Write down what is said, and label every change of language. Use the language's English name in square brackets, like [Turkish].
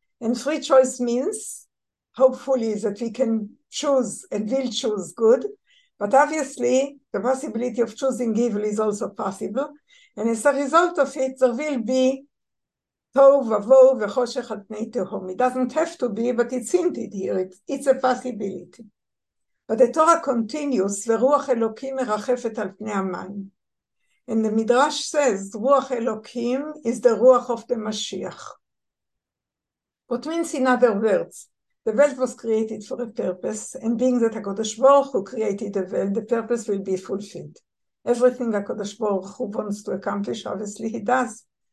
[English] And free choice means, hopefully, that we can choose and will choose good, but obviously the possibility of choosing evil is also possible, and as a result of it, there will be [Hebrew] tohu vavohu v'choshech al pnei tehom. [English] It doesn't have to be, but it's hinted here. It's a possibility. But the Torah continues, [Hebrew] ורוח אלוקים מרחפת על פני המים. [English] And the Midrash says, רוח אלוקים is the רוח of the Mashiach. What means in other words, the world was created for a purpose, and being that HaKadosh Baruch Hu created the world, the purpose will be fulfilled. Everything HaKadosh Baruch Hu wants to accomplish, obviously he does.